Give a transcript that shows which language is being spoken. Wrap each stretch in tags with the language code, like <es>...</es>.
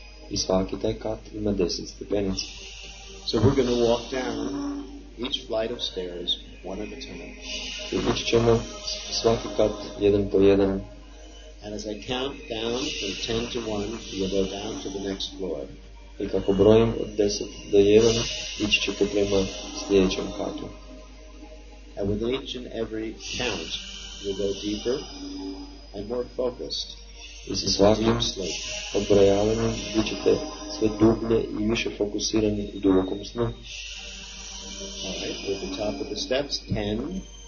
<hr>I svaki taj kat ima 10 stepenica.</hr> <en>So we're going to walk down each flight of stairs one at a time.</en> <hr>I ići ćemo svaki kat jedan po jedan.</hr> <en>And as I count down from 10 to 1, you'll go down to the next floor.</en> <hr>I kako brojim od 10 do 1, ići ćete prema sljedećem katu.</hr> <en>And with each and every count, you'll go deeper and more focused.</en> <hr>I sa svakim obrojavanjem bit ćete sve dublje i više fokusirani u dubokom snu.</hr> <en>All right, at the top of the steps, 10.</en>